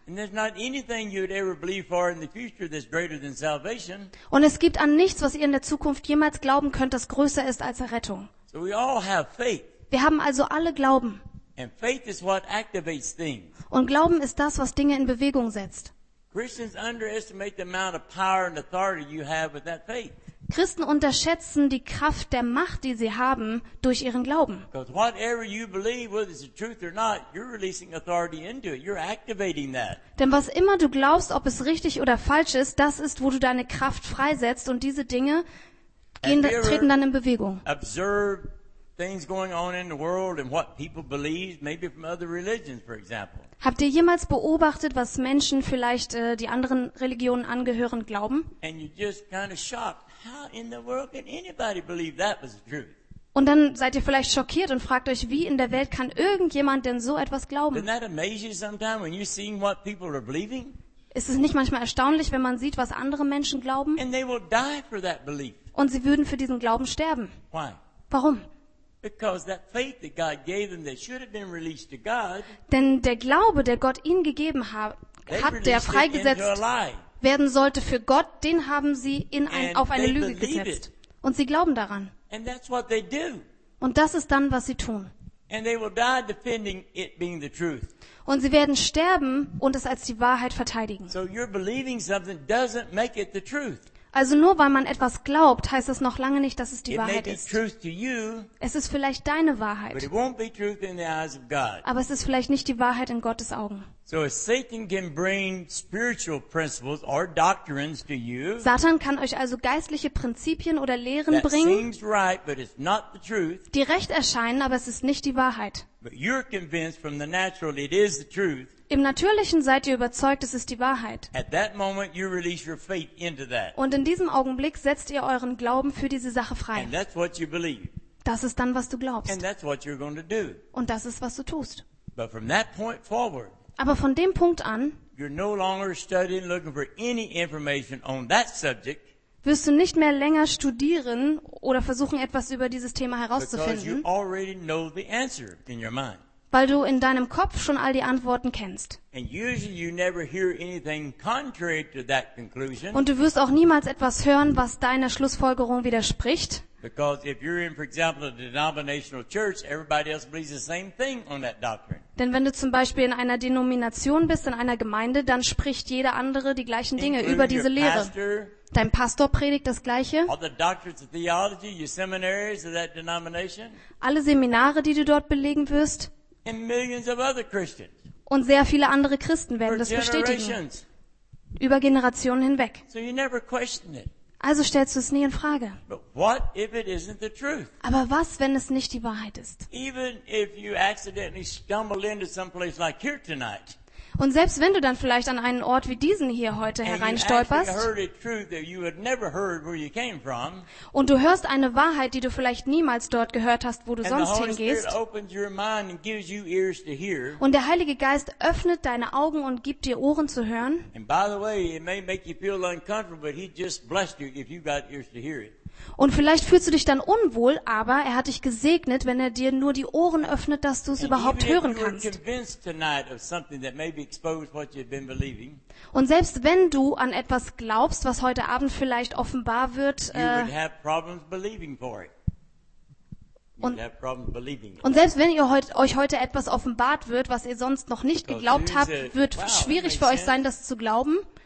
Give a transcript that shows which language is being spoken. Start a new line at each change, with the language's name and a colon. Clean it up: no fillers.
German: Und es gibt an nichts, was ihr in der Zukunft jemals glauben könnt, das größer ist als Errettung.
English: So we all have faith.
German: Wir haben also alle Glauben.
English: And faith is what activates things.
German: Und Glauben ist das, was Dinge in Bewegung setzt.
English: Christians underestimate the amount of power and authority you have with that faith.
German: Christen unterschätzen die Kraft der Macht, die sie haben, durch ihren Glauben.
English: Because whatever you believe, whether it's the truth or not, you're releasing authority into it. You're activating that.
German: Denn was immer du glaubst, ob es richtig oder falsch ist, das ist, wo du deine Kraft freisetzt und diese Dinge treten dann in Bewegung.
English: Observe things going on in the world and what people believe, maybe from other religions, for example.
German: Habt ihr jemals beobachtet, was Menschen vielleicht die anderen Religionen angehören, glauben?
English: And you're just kind of shocked. How in the world can anybody believe that was the truth?
German: Und dann seid ihr vielleicht schockiert und fragt euch, wie in der Welt kann irgendjemand denn so etwas glauben?
English: Isn't that amazing sometimes when you see what people are believing?
German: Ist es nicht manchmal erstaunlich, wenn man sieht, was andere Menschen glauben?
English: And they will die for that belief.
German: Und sie würden für diesen Glauben sterben.
English: Why?
German: Warum?
English: Because that faith that God gave them that should have been released to God.
German: Denn der Glaube, der Gott ihnen gegeben hat, der freigesetzt werden sollte für Gott, den haben sie auf eine Lüge gesetzt. Und sie glauben daran.
English: And that's what they do.
German: Und das ist dann, was sie tun.
English: And they will die defending it being the truth.
German: Und sie werden sterben und es als die Wahrheit verteidigen.
English: So you're believing something doesn't make it the truth.
German: Also nur weil man etwas glaubt, heißt das noch lange nicht, dass es die Wahrheit ist.
English: Truth to you,
German: es ist vielleicht deine Wahrheit.
English: But it won't be truth in the eyes of God.
German: Aber es ist vielleicht nicht die Wahrheit in Gottes Augen.
English: So Satan can bring spiritual principles or doctrines to you.
German: Satan kann euch also geistliche Prinzipien oder Lehren bringen.
English: That seems right, but it's not the truth.
German: Die recht erscheinen, aber es ist nicht die Wahrheit.
English: But you're convinced from the natural it is the truth.
German: Im Natürlichen seid ihr überzeugt, es ist die Wahrheit.
English: At that moment you release your faith into that.
German: Und in diesem Augenblick setzt ihr euren Glauben für diese Sache frei.
English: And that's what you believe.
German: Das ist dann, was du glaubst.
English: And that's what you're going to do.
German: Und das ist, was du tust.
English: But from that point forward,
German: aber von dem Punkt an,
English: you're no longer studying, looking for any information on that subject,
German: wirst du nicht mehr länger studieren oder versuchen, etwas über dieses Thema herauszufinden,
English: because you already know the answer in your mind.
German: Weil du in deinem Kopf schon all die Antworten kennst.
English: And usually you never hear anything contrary to that conclusion,
German: und du wirst auch niemals etwas hören, was deiner Schlussfolgerung widerspricht.
English: Because if you're in, for example, a denominational church, everybody else believes the same thing on that doctrine.
German: Denn wenn du zum Beispiel in einer Denomination bist, in einer Gemeinde, dann spricht jeder andere die gleichen Dinge über diese Lehre.
English: Pastor,
German: dein Pastor predigt das Gleiche.
English: All the doctrines of theology, your seminaries of that denomination.
German: Alle Seminare, die du dort belegen wirst.
English: And millions of other Christians.
German: Und sehr viele andere Christen werden das bestätigen. Über Generationen hinweg.
English: So you never question it.
German: Also stellst du es nie in Frage.
English: But what if it isn't the truth?
German: Aber was, wenn es nicht die Wahrheit ist?
English: Even if you accidentally stumble into some place like here tonight.
German: Und selbst wenn du dann vielleicht an einen Ort wie diesen hier heute hereinstolperst,
English: you actually heard a truth that you had never heard where you came from,
German: und du hörst eine Wahrheit, die du vielleicht niemals dort gehört hast, wo du sonst hingehst, und der Heilige Geist öffnet deine Augen und gibt dir Ohren zu hören,
English: and by the way, it may make you feel uncomfortable, but he just blessed you if you got ears to hear it.
German: Und vielleicht fühlst du dich dann unwohl, aber er hat dich gesegnet, wenn er dir nur die Ohren öffnet, dass du es überhaupt hören kannst. Und selbst wenn du an etwas glaubst, was heute Abend vielleicht offenbar wird, und selbst wenn ihr euch heute etwas offenbart wird, was ihr sonst noch nicht geglaubt habt, wird schwierig für euch sein, das zu glauben.